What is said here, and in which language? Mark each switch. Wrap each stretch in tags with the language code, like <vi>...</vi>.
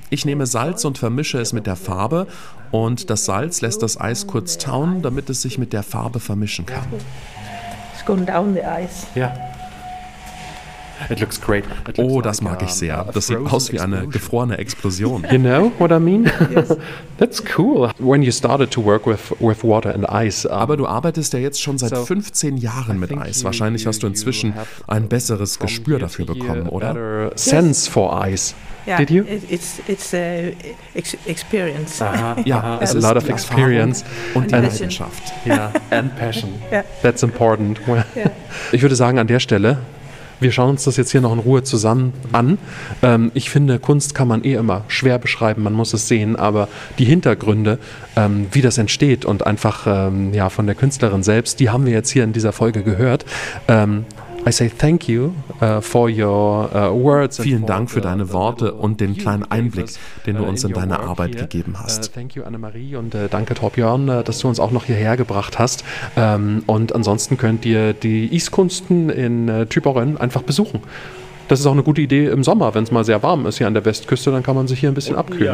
<de>Ich nehme Salz und vermische es mit der Farbe und das Salz lässt das Eis kurz tauen, damit es sich mit der Farbe vermischen kann.</de> <en>It's going down the ice. Yeah. It looks great. It looks</en> <de>oh, das like mag ich sehr. Das sieht aus wie eine gefrorene Explosion.</de> <en>You know what I mean? That's cool. When you started to work with water and ice.</en> <de>Aber du arbeitest ja jetzt schon seit 15 Jahren mit Eis. Wahrscheinlich hast du inzwischen ein besseres Gespür dafür bekommen, oder?</de> <en>Sense for ice. Did you? It's a experience.</en> <de>Ja, es ist</de> <en>a lot of experience</en> <de>und Leidenschaft.</de> <en>Yeah, and passion. That's important.</en> <de>Ich würde sagen an der Stelle. Wir schauen uns das jetzt hier noch in Ruhe zusammen an. Ich finde, Kunst kann man eh immer schwer beschreiben, man muss es sehen, aber die Hintergründe, wie das entsteht und einfach von der Künstlerin selbst, die haben wir jetzt hier in dieser Folge gehört.</de> <en>I say thank you for your words.</en> <de>Vielen Dank für deine Worte und den kleinen Einblick, den du uns in deine Arbeit gegeben hast.</de> <en>Thank you,</en> <de>Annemarie, und danke, Torbjörn, dass du uns auch noch hierher gebracht hast. Und ansonsten könnt ihr die Eiskunsten in Tyboren einfach besuchen. Das ist auch eine gute Idee im Sommer, wenn es mal sehr warm ist hier an der Westküste, dann kann man sich hier ein bisschen abkühlen.</de>